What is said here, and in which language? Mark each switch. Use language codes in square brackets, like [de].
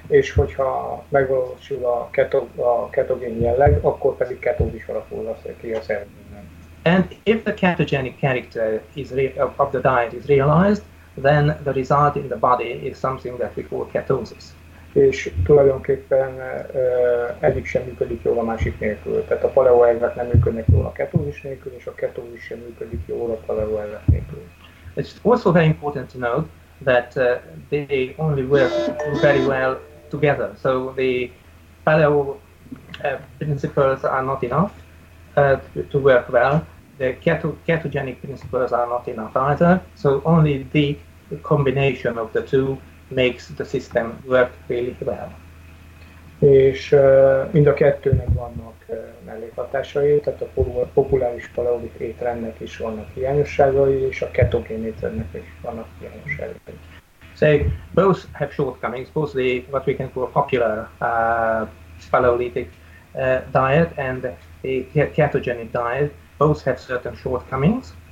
[hu] És hogyha megvalósul a ketogén jelleg, akkor pedig ketóz is alakul ki a szervezetben. [en] And if the ketogenic character of the diet is realized, then the result in the body is something that we call ketosis. [hu] És tulajdonképpen egyik sem működik jól a másik nélkül. Tehát a paleo elvek nem működnek jól a ketózis nélkül, és a ketózis sem működik jól a paleo elvek nélkül. [en] It's also very important to note that they only work very well together. So the paleo principles are not enough to work well. The ketogenic principles are not enough either. So only the combination of the two makes the system work really well. [hu] És mind a kettőnek vannak mellékhatásai, tehát a populáris paleolit étrendnek is vannak hiányosságai, és a ketogén étrendnek is vannak hiányosságai. [en] So both have shortcomings, both the what we can call popular paleolithic diet and the ketogenic diet, both have certain shortcomings.